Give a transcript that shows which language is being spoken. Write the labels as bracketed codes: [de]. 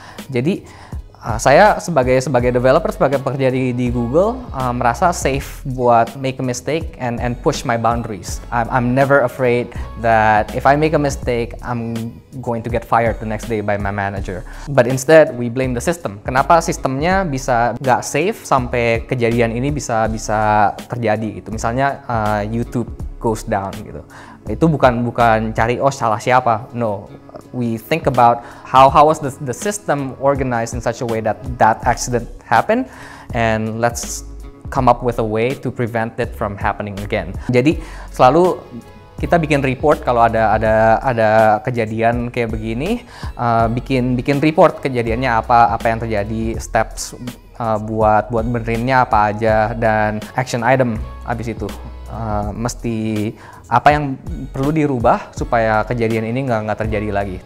[id] Jadi saya sebagai developer, sebagai pekerja di Google, merasa safe buat [en] make a mistake and push my boundaries. I'm never afraid that if I make a mistake, I'm going to get fired the next day by my manager. But instead, we blame the system. [id] Kenapa sistemnya bisa nggak safe sampai kejadian ini bisa terjadi? Itu misalnya YouTube [en] goes down [id] gitu. Itu bukan cari oh salah siapa. [en] No, we think about how was the system organized in such a way that accident happened, and let's come up with a way to prevent it from happening again. [id] Jadi selalu kita bikin report kalau ada kejadian kayak begini, bikin report kejadiannya apa yang terjadi, steps buat benerinnya apa aja, dan action item abis itu mesti apa yang perlu dirubah supaya kejadian ini nggak terjadi lagi.